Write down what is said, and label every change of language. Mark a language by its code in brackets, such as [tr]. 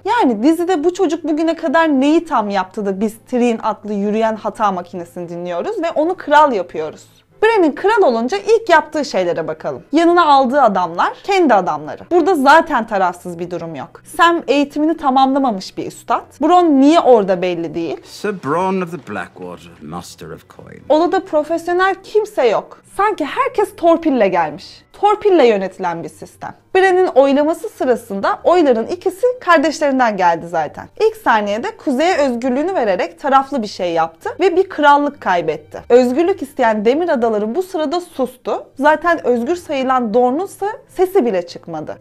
[tr] Yani dizide bu çocuk bugüne kadar neyi tam yaptı da biz Tyrion adlı yürüyen hata makinesini dinliyoruz ve onu kral yapıyoruz. Bran'ın kral olunca ilk yaptığı şeylere bakalım. Yanına aldığı adamlar kendi adamları. Burada zaten tarafsız bir durum yok. Sam eğitimini tamamlamamış bir üstad. Bronn niye orada belli değil. [en] Sir Bronn of the Blackwater, Master of Coin. [tr] Odada profesyonel kimse yok. Sanki herkes torpille gelmiş. Torpille yönetilen bir sistem. Bran'ın oylaması sırasında oyların ikisi kardeşlerinden geldi zaten. İlk saniyede kuzeye özgürlüğünü vererek taraflı bir şey yaptı ve bir krallık kaybetti. Özgürlük isteyen Demir Adaları bu sırada sustu. Zaten özgür sayılan Dorne'un ise sesi bile çıkmadı.